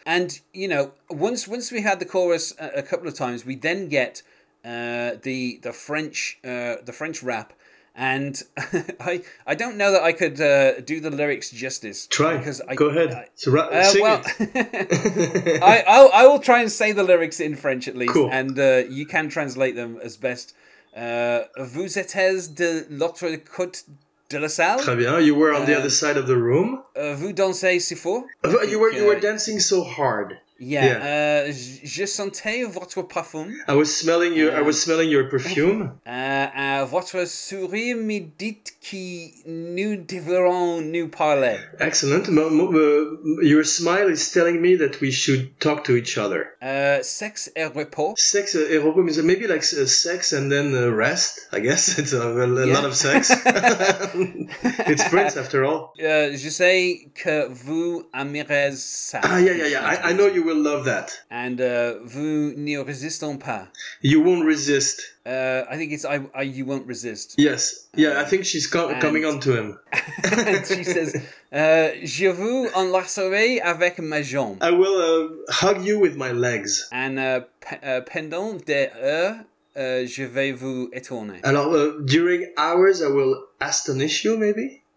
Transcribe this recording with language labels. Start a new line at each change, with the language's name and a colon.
English: And, you know, once we had the chorus a couple of times, we then get the French rap. And I don't know that I could do the lyrics justice. Try. Because go ahead. Sing it. I will try and say the lyrics in French at least. Cool. And you can translate them as best.
French: Vous êtes de l'autre côté de la salle. Très bien.
English: You were on the other side of the room.
French: Vous dansez si fort.
English: You were dancing so hard. Yeah.
French: Je sentais votre parfum.
English: I was smelling your perfume.
French: Votre sourire me dit que nous devrons nous parler.
English: Excellent. Your smile is telling me that we should talk to each other.
French: Sexe et repos. Sexe et repos
English: means maybe like sex and then rest, I guess. It's a lot of sex. It's Prince after all.
French: Je sais que vous aimerez ça.
English: Yeah. I know you will love that.
French: And vous ne résistons pas.
English: You won't resist. I think it's I you won't resist. Yes. Yeah, I think she's coming on to him. And she says,
French: je vous enlacerai avec ma jambe.
English: I will hug you with my legs.
French: And pendant des heures, je vais vous étonner.
English: Alors, during hours, I will astonish you, maybe?